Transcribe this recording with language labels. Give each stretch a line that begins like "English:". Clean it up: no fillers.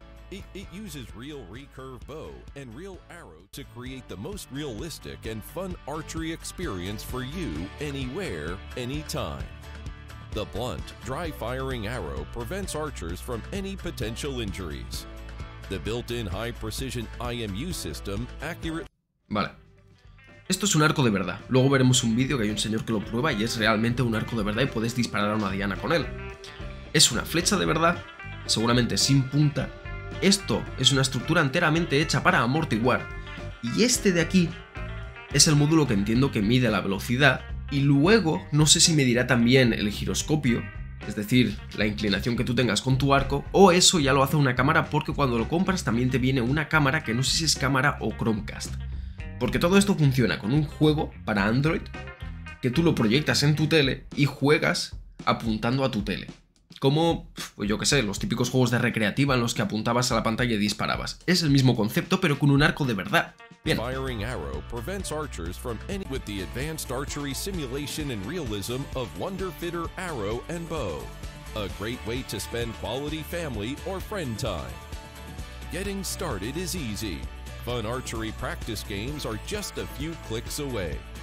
English: It uses real recurve bow and real arrow to create the most realistic and fun archery experience for you anywhere, anytime. The blunt, dry-firing arrow prevents archers from any potential injuries. The built-in high-precision IMU system accurate...
Spanish: Vale. Esto es un arco de verdad. Luego veremos un vídeo que hay un señor que lo prueba y es realmente un arco de verdad y puedes disparar a una diana con él. Es una flecha de verdad, seguramente sin punta. Esto es una estructura enteramente hecha para amortiguar. Y este de aquí es el módulo que entiendo que mide la velocidad. Y luego, no sé si medirá también el giroscopio, es decir, la inclinación que tú tengas con tu arco, o eso ya lo hace una cámara, porque cuando lo compras también te viene una cámara que no sé si es cámara o Chromecast. Porque todo esto funciona con un juego para Android, que tú lo proyectas en tu tele y juegas apuntando a tu tele. Como, pues yo qué sé, los típicos juegos de recreativa en los que apuntabas a la pantalla y disparabas. Es el mismo concepto, pero con un arco de verdad. Bien.
English: Firing arrow prevents archers from any with the advanced archery simulation and realism of Wonderfitter arrow and bow. A great way to spend quality family or friend time. Getting started is easy. Fun archery practice games are just a few clicks away.